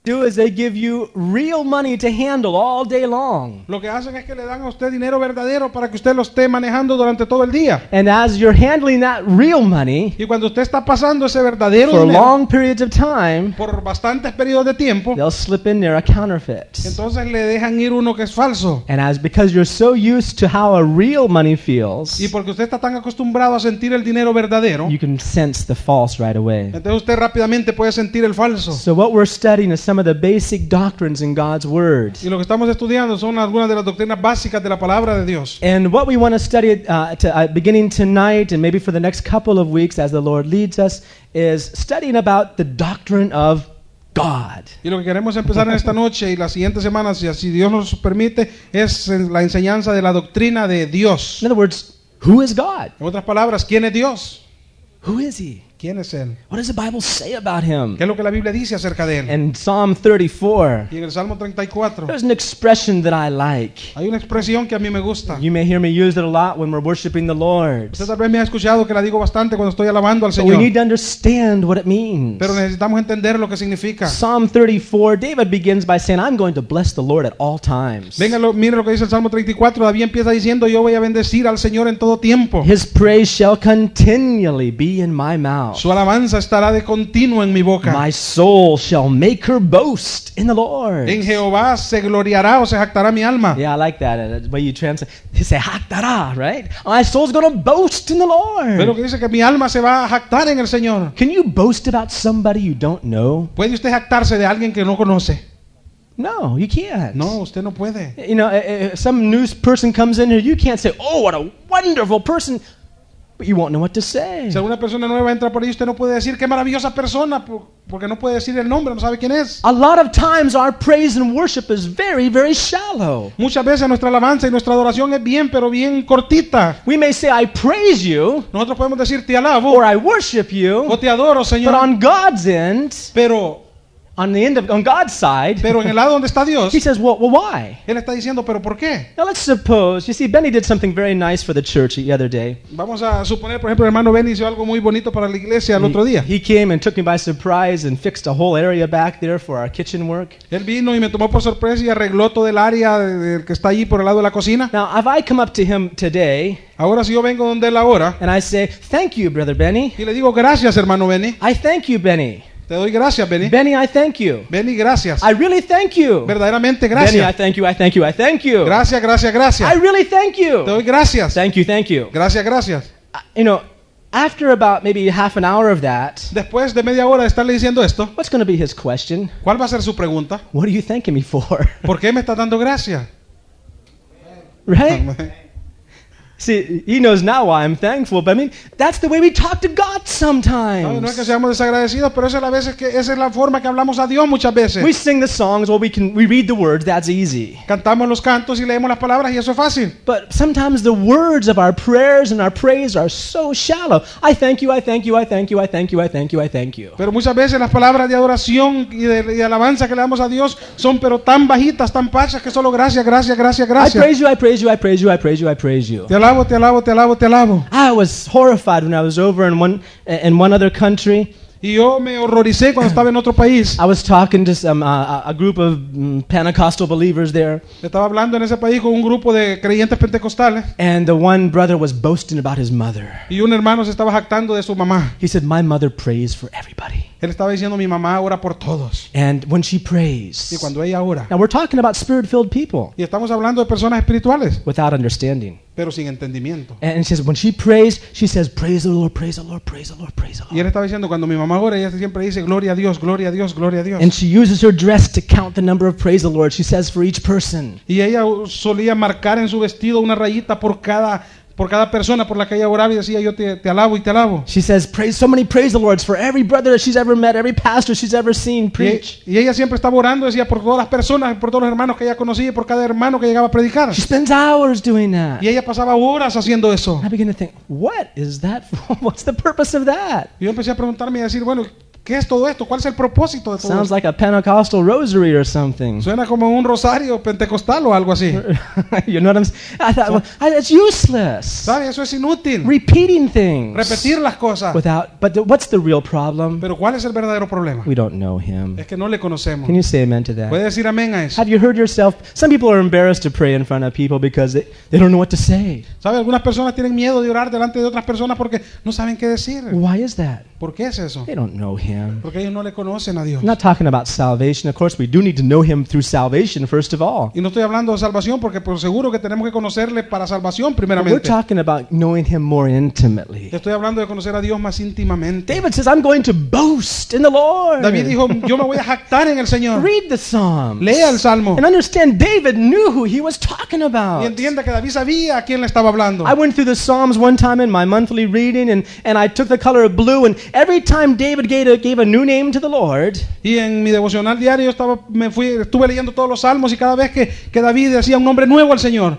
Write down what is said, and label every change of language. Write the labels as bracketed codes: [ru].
[en] do is they give you real money to handle all day long. [es] Lo que hacen es que le dan a usted dinero verdadero para que usted lo esté manejando durante todo el día. [en] And as you're handling that real money, [es] y cuando usted está pasando ese verdadero [en] for [es] dinero, [en] long periods of time, [es] por bastantes periodos de tiempo, [en] they'll slip in there a counterfeit. [es] Entonces le dejan ir uno que es falso. [en] And as because you're so used to how a real money feels, [es] y porque usted está tan acostumbrado a sentir el dinero verdadero, [en] you can sense the false right away. [es] Entonces usted rápidamente puede sentir el falso. [en] So what we're studying is some of the basic doctrines in God's word. [es] Y lo que estamos estudiando son algunas de las doctrinas básicas de la palabra de Dios. [en] And what we want to study beginning tonight and maybe for the next couple of weeks as the Lord leads us is studying about the doctrine of God. [es] Y lo que queremos empezar en esta noche y las siguientes semanas, si Dios nos permite, es la enseñanza de la doctrina de Dios. [en] In other words, who is God? [es] En otras palabras, ¿quién es Dios? [en] Who is he? [es] ¿Quién es él? [en] What does the Bible say about him? [es] ¿Qué es lo que la Biblia dice acerca de él? [en] In Psalm 34, [es] y en el Salmo 34, [en] there's an expression that I like. [es] Hay una expresión que a mí me gusta. [en] You may hear me use it a lot when we're worshiping the Lord. [es] Usted tal vez me ha escuchado que la digo bastante cuando estoy alabando al Señor. [en] But we need to understand what it means. [es] Pero necesitamos entender lo que significa. [en] Psalm 34, David begins by saying, I'm going to bless the Lord at all times. [es] Venga, mire lo que dice el Salmo 34. David empieza diciendo, yo voy a bendecir al Señor en todo tiempo. [en] His praise shall continually be in my mouth. [es] Su alabanza estará de continuo en mi boca. [en] My soul shall make her boast in the Lord. [es] En Jehová se gloriará o se jactará mi alma. [en] Yeah, I like that. The way you translate, se jactará, right? My soul's going to boast in the Lord. [es] Pero que dice que mi alma se va a jactar en el Señor. [en] Can you boast about somebody you don't know? [es] ¿Puede usted jactarse de alguien que no conoce? [en] No, you can't. [es] No, usted no puede. [en] You know, some new person comes in here, you can't say, "Oh, what a wonderful person." But you won't know what to say. [es] Si alguna persona nueva entra por ahí, usted no puede decir qué maravillosa persona, porque no puede decir el nombre, no sabe quién es. [en] A lot of times our praise and worship is very, very shallow. [es] Muchas veces nuestra alabanza y nuestra adoración es bien, pero bien cortita. [en] We may say I praise you. [es] Nosotros podemos decir te alabo. [en] Or I worship you. [es] O te adoro, Señor. [en] But on God's end. [es] Pero [en] on the end of on God's side. [es] Pero en el lado donde está Dios. [en] He says, well, why? [es] Él está diciendo, pero ¿por qué? [en] Now let's suppose. You see, Benny did something very nice for the church the other day. [es] Vamos a suponer, por ejemplo, el hermano Benny hizo algo muy bonito para la iglesia el otro día. [en] He came and took me by surprise and fixed a whole area back there for our kitchen work. [es] Él vino y me tomó por sorpresa y arregló todo el área del que está allí por el lado de la cocina. [en] Now, if I come up to him today. [es] Ahora si yo vengo donde él ahora. [en] And I say, thank you, brother Benny. [es] Y le digo gracias, hermano Benny. [en] I thank you, Benny. [es] Te doy gracias, Benny. [en] Benny, I thank you. [es] Benny, gracias. [en] I really thank you. [es] Verdaderamente, gracias. [en] Benny, I thank you, I thank you, I thank you. [es] Gracias, gracias, gracias. [en] I really thank you. [es] Te doy gracias. [en] Thank you, thank you. [es] Gracias, gracias. [en] You know, after about maybe half an hour of that, [es] después de media hora de estarle diciendo esto, [en] what's going to be his question? [es] ¿Cuál va a ser su pregunta? [en] What are you thanking me for? [es] ¿Por qué me está dando gracias? [en] Right? See, he knows now why I'm thankful, but I mean, that's the way we talk to God sometimes. [es] No, no es que seamos desagradecidos, pero esa es la veces que esa es la forma que hablamos a Dios muchas veces. [en] We sing the songs, well, we read the words, that's easy. [es] Cantamos los cantos y leemos las palabras y eso es fácil. [en] But sometimes the words of our prayers and our praise are so shallow. I thank you, I thank you, I thank you, I thank you, I thank you, I thank you. [es] Pero muchas veces las palabras de adoración y de alabanza que le damos a Dios son pero tan bajitas, tan pachas que solo gracias, gracias, gracias, gracias. [en] I praise you, I praise you, I praise you, I praise you, I praise you. [es] Te alabo, te alabo, te alabo, te alabo. [en] I was horrified when I was over in one other country. [es] Y yo me horroricé cuando estaba en otro país. [en] I was talking to some a group of Pentecostal believers there. [es] Estaba hablando en ese país con un grupo de creyentes pentecostales. [en] And the one brother was boasting about his mother. [es] Y un hermano se estaba jactando de su mamá. [en] He said, "My mother prays for everybody." [es] Él estaba diciendo, "Mi mamá ora por todos." [en] And when she prays. [es] Y cuando ella ora. [en] Now we're talking about spirit-filled people. [es] Y estamos hablando de personas espirituales. [en] Without understanding. [es] Pero sin entendimiento. [en] And she says, when she prays, she says, "Praise the Lord, praise the Lord, praise the Lord, praise the Lord." [es] Y él estaba diciendo, cuando mi mamá ora, ella siempre dice, "Gloria a Dios, gloria a Dios, gloria a Dios." [en] And she uses her dress to count the number of praise the Lord. She says for each person. [es] Y ella solía marcar en su vestido una rayita por cada persona por la que ella oraba y decía, "Yo te alabo y te alabo." [en] She says, "Praise so many praise the Lords for every brother that she's ever met, every pastor she's ever seen preach." [es] Y ella siempre estaba orando, decía, por todas las personas, por todos los hermanos que ella conocía y por cada hermano que llegaba a predicar. [en] She spends hours doing that. [es] Y ella pasaba horas haciendo eso. [en] I begin to think, what is that for? What's the purpose of that? [es] Y yo empecé a preguntarme y a decir, bueno, ¿Qué es todo esto? ¿Cuál es el propósito de todo? [en] Sounds like a Pentecostal rosary or something. [es] Suena como un rosario pentecostal o algo así. [en] You know what I'm saying? I thought, well, it's useless. [es] ¿Sabes? Eso es inútil. [en] Repeating things. [es] Repetir las cosas. [en] What's the real problem? [es] Pero ¿cuál es el verdadero problema? [en] We don't know him. [es] Es que no le conocemos. [en] Can you say amen to that? [es] ¿Puedes decir amén a eso? [en] Have you heard yourself? Some people are embarrassed to pray in front of people because they don't know what to say. [es] ¿Sabes? Algunas personas tienen miedo de orar delante de otras personas porque no saben qué decir. [en] Why is that? [es] ¿Por qué es eso? [en] They don't know him. [es] Porque ellos no le conocen a Dios. [en] I'm not talking about salvation. Of course, we do need to know him through salvation, first of all. [es] Y no estoy hablando de salvación porque por seguro que tenemos que conocerle para salvación primeramente. [en] But we're talking about knowing him more intimately. [es] Estoy hablando de conocer a Dios más íntimamente. [en] David says, "I'm going to boast in the Lord." [es] David dijo, "Yo me voy a jactar en el Señor." [en] Read the Psalms. [es] Lea el Salmo. [en] And understand, David knew who he was talking about. [es] Y entienda que David sabía a quién le estaba hablando. [en] I went through the Psalms one time in my monthly reading, and I took the color of blue, and every time David gave a new name to the Lord. [es] Y en mi devocional diario estuve leyendo todos los salmos y cada vez que David decía un nombre nuevo al Señor.